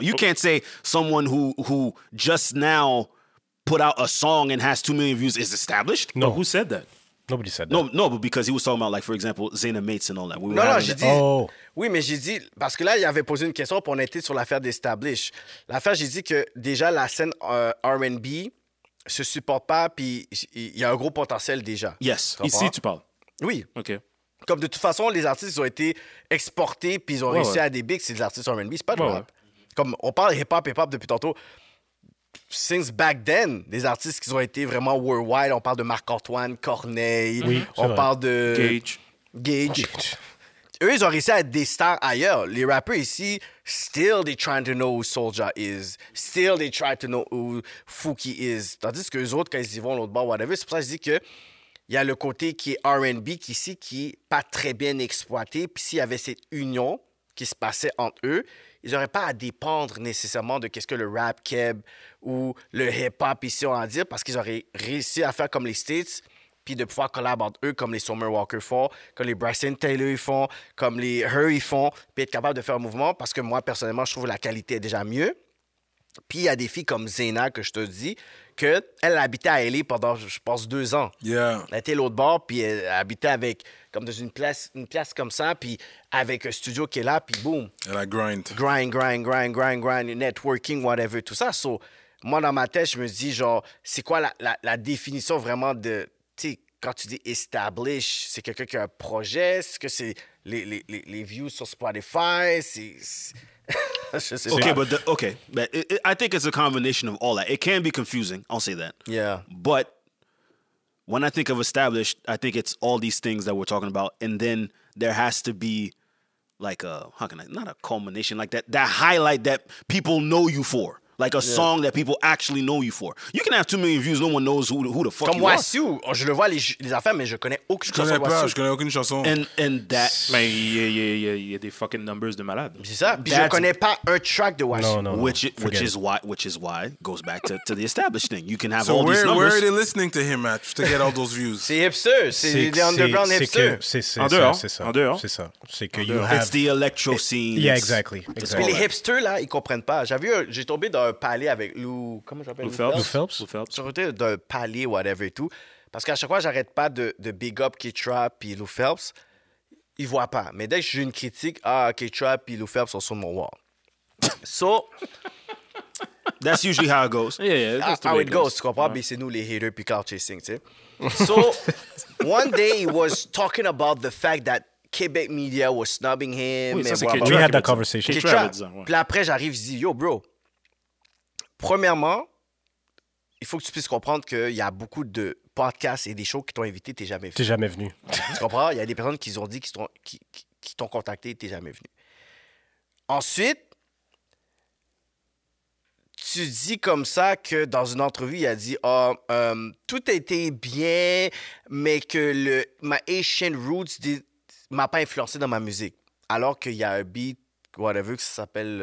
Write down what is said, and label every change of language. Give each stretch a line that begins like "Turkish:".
English: You can't say someone who just now put out a song and has 2 million views is established? No. But who said that? Nobody said that. No, but because he was talking about, like, for example, Zayna Mates and all that.
French: Oui, mais j'ai dit, parce que là, il avait posé une question, puis on était sur l'affaire d'Establish. L'affaire, j'ai dit que déjà, la scène R&B se supporte pas, puis il y a un gros potentiel déjà.
English: Yes.
French: Ici, tu parles. Oui. OK. Comme de toute façon, les artistes ont été exportés, puis ils ont réussi à des bigs, c'est des artistes R&B, c'est pas du rap. Comme on parle hip-hop depuis tantôt.
English: Since back then,
French: des artistes qui ont été vraiment worldwide, on parle de Marc-Antoine, Corneille, parle de... Gage. Eux, ils ont réussi à être des stars ailleurs. Les rappers ici,
English: still they trying to know who Soulja is. Still they try to know who Fouki is.
French: Tandis que eux autres, quand ils y vont l'autre bord, whatever, c'est pour ça que je dis qu'il y a le côté qui est R&B ici qui n'est pas très bien exploité. Puis s'il y avait cette union qui se passait entre eux... Ils n'auraient pas à dépendre nécessairement de qu'est-ce que le rap keb ou le hip-hop ici ont à dire parce qu'ils auraient réussi à faire comme les States puis de pouvoir collaborer entre eux comme les Summer Walker font, comme les Bryson Taylor ils font, comme les Her ils font, puis être capable de faire un mouvement parce que moi, personnellement, je trouve la qualité est déjà mieux. Puis il y a des filles comme Zayna, que je te dis, qu'elle habitait à LA pendant, je pense, 2 ans.
English: Yeah.
French: Elle était l'autre bord, puis elle habitait avec... comme dans une place comme ça, puis avec un studio qui est là, puis boum. Elle a grind. Grind, networking, whatever, tout ça. So, moi, dans ma tête, je me dis, genre, c'est quoi la définition vraiment de... Tu sais, quand tu dis establish, c'est quelqu'un qui a un projet, est-ce que c'est les views sur Spotify, c'est...
English: But I think it's a combination of all that. It can be confusing, I'll say that. Yeah. But when I think of established, I think it's all these things that we're talking about. And then there has to be like a, how can I, not a culmination, like that highlight that people know you for. Like a song that people actually know you for. You can have 2 million views, no one knows who the fuck
French: comme
English: you Wasu. Are.
French: Comme Wasu. Je le vois les affaires, mais je connais aucune chanson. Je connais aucune chanson.
English: And that...
French: Mais il y a des fucking numbers de malades. C'est ça. Puis je connais pas un track de Wasu.
English: No. Which is why goes back to the established thing. You can have so all these numbers. So where are they listening to him at to get all those views?
French: C'est hipster. C'est les underground hipsters. C'est ça.
English: You have... It's the electro scene. Yeah, exactly.
French: Mais les hipsters, là, ils comprennent pas. J'ai tombé dans palier avec Lou... Comment j'appelle? Lou Phelps. Sur le côté d'un palier, whatever et tout. Parce qu'à chaque fois, j'arrête pas de big up Keytra puis Lou Phelps. Ils voient pas. Mais dès que j'ai une critique, Keytra puis Lou Phelps sont sur mon wall.
English: So... That's usually how it goes. Yeah. How it goes,
French: tu comprends? Mais c'est nous les haters puis car chasing, tu sais.
English: So, one day, he was talking about the fact that Quebec media was snubbing him.
French: Oui, ça, c'est Keytra.
English: We had that conversation.
French: Keytra. Puis après, j'arrive, je dis, yo, bro, Premièrement, il faut que tu puisses comprendre qu'il y a beaucoup de podcasts et des shows qui t'ont invité, t'es jamais venu. T'es jamais venu. Tu comprends? Il y a des personnes qui ont dit qui t'ont contacté et t'es jamais venu. Ensuite, tu dis comme ça que dans une entrevue, il a dit « Oh, tout a été bien, mais que ma Asian roots m'a pas influencé dans ma musique. » Alors qu'il y a un beat, whatever, que ça s'appelle...